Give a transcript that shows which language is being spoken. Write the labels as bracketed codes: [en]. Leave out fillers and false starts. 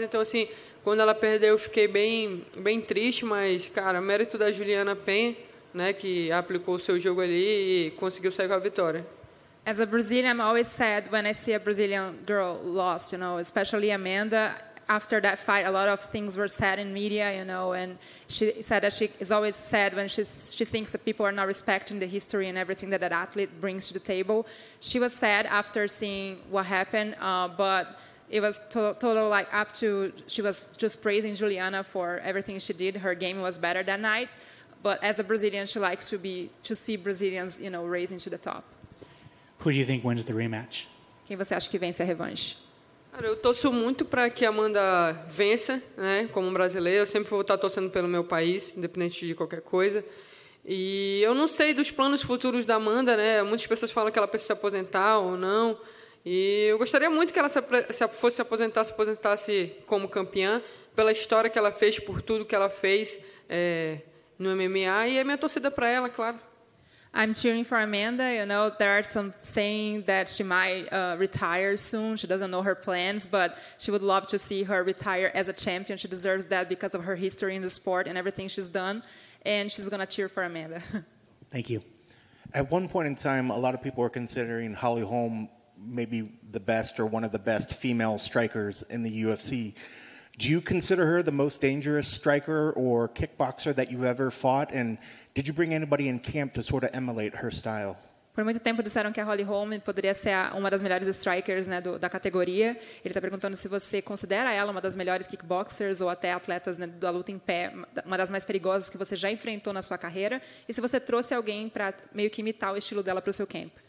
[pt] Então, assim, quando ela perdeu, eu fiquei bem, bem triste. Mas, cara, mérito da Juliana Pena, né, que aplicou o seu jogo ali e conseguiu sair com a vitória. [en] As a Brazilian, I'm always sad when I see a Brazilian girl lost, you know, especially Amanda. After that fight, a lot of things were said in media, you know, and she said that she is always sad when she thinks that people are not respecting the history and everything that athlete brings to the table. She was sad after seeing what happened, but it was total like up to, she was just praising Juliana for everything she did. Her game was better that night, but as a Brazilian, she likes to see Brazilians, you know, raising to the top. Who do you think wins the rematch? [pt] Quem você acha que vence a revanche? Cara, eu torço muito para que a Amanda vença, né, como brasileira. Eu sempre vou estar torcendo pelo meu país, independente de qualquer coisa. E eu não sei dos planos futuros da Amanda, né? Muitas pessoas falam que ela precisa se aposentar ou não. E eu gostaria muito que ela se aposentasse como campeã, pela história que ela fez, por tudo que ela fez no MMA. E é minha torcida para ela, claro. [en] I'm cheering for Amanda. You know, there are some saying that she might retire soon. She doesn't know her plans, but she would love to see her retire as a champion. She deserves that because of her history in the sport and everything she's done. And she's going to cheer for Amanda. Thank you. At one point in time, a lot of people were considering Holly Holm maybe the best or one of the best female strikers in the UFC. Do you consider her the most dangerous striker or kickboxer that you've ever fought? And did you bring anybody in camp to sort of emulate her style? [pt] Por muito tempo disseram que a Holly Holm poderia ser uma das melhores strikers, né, da categoria. Ele está perguntando se você considera ela uma das melhores kickboxers ou até atletas, né, da luta em pé, uma das mais perigosas que você já enfrentou na sua carreira, e se você trouxe alguém para meio que imitar o estilo dela para o seu camp.